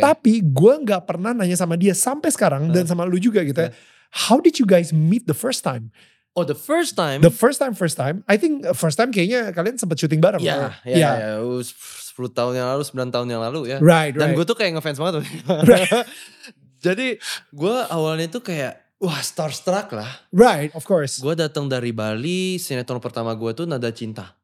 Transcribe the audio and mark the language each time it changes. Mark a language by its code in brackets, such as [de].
[id] Tapi gue nggak pernah nanya sama dia sampai sekarang dan sama lu juga gitu. [en] Yeah. How did you guys meet the first time? Oh, the first time. I think first time [id] kayaknya kalian sempat syuting bareng. [en] Yeah. [id] 10 tahun yang lalu, 9 tahun yang lalu ya. [en] Right. [id] Dan gue tuh kayak ngefans banget. Jadi gue awalnya tuh kayak Wah, starstruck lah. [en] Right, of course. [id] Gue datang dari Bali, sinetron pertama gue tuh Nada Cinta.